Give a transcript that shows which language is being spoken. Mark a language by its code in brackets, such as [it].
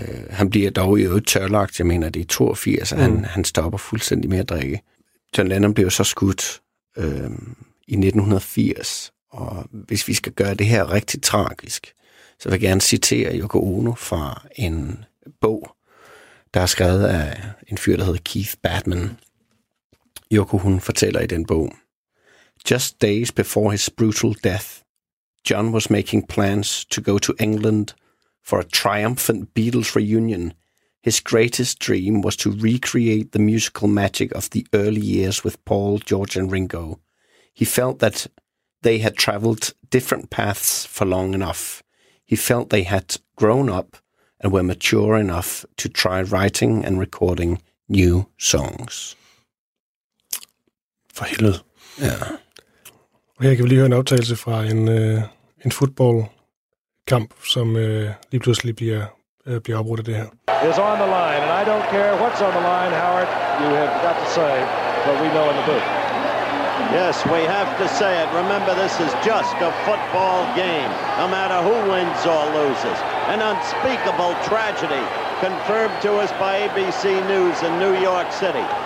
[da] Han bliver dog i øvrigt tørlagt, jeg mener, det er 82, han stopper fuldstændig med at drikke. John Lennon blev så skudt i 1980, og hvis vi skal gøre det her rigtig tragisk, så vil jeg gerne citere Yoko Ono fra en bog, der er skrevet af en fyr, der hedder Keith Batman. [en] Yoko, [da] hun fortæller i den bog: [en] "Just days before his brutal death, John was making plans to go to England for a triumphant Beatles reunion. His greatest dream was to recreate the musical magic of the early years with Paul, George and Ringo. He felt that they had traveled different paths for long enough. He felt they had grown up and were mature enough to try writing and recording new songs." [da] For helvede. Ja. Og her kan vi lige høre en optagelse fra en fodboldkamp, som lige pludselig bliver afbrudt af det her. [en] "Is on the line, and I don't care what's on the line, Howard. You have got to say what we know in the booth." "Yes, we have to say it. Remember, this is just a football game, no matter who wins or loses. An unspeakable tragedy confirmed to us by ABC News in New York City.